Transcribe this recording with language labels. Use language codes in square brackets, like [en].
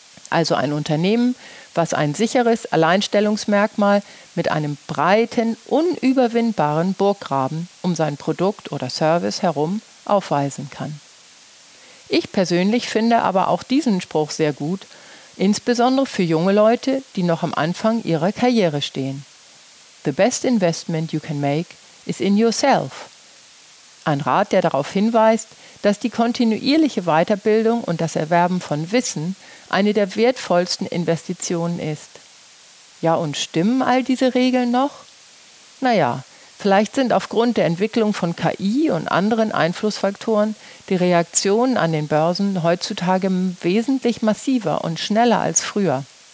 [de] Also ein Unternehmen, was ein sicheres Alleinstellungsmerkmal mit einem breiten, unüberwindbaren Burggraben um sein Produkt oder Service herum aufweisen kann. Ich persönlich finde aber auch diesen Spruch sehr gut, insbesondere für junge Leute, die noch am Anfang ihrer Karriere stehen. [en] The best investment you can make is in yourself. [de] Ein Rat, der darauf hinweist, dass die kontinuierliche Weiterbildung und das Erwerben von Wissen eine der wertvollsten Investitionen ist. Ja, und stimmen all diese Regeln noch? Naja, vielleicht sind aufgrund der Entwicklung von KI und anderen Einflussfaktoren die Reaktionen an den Börsen heutzutage wesentlich massiver und schneller als früher.